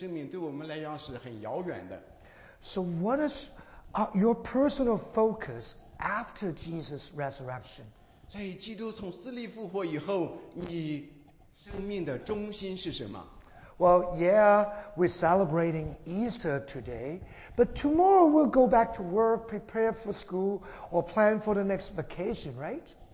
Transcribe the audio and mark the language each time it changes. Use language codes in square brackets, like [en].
[zh] 我们生命的终结的时候，我们在思想永生的生命。平常的日子，好像永生的生命对我们来讲是很遥远的。 [en] So what is your personal focus after Jesus' resurrection? [zh] 在基督从死里复活以后，你生命的中心是什么？ [en] Well, yeah, we're celebrating Easter today, but tomorrow we'll go back to work, prepare for school, or plan for the next vacation, right?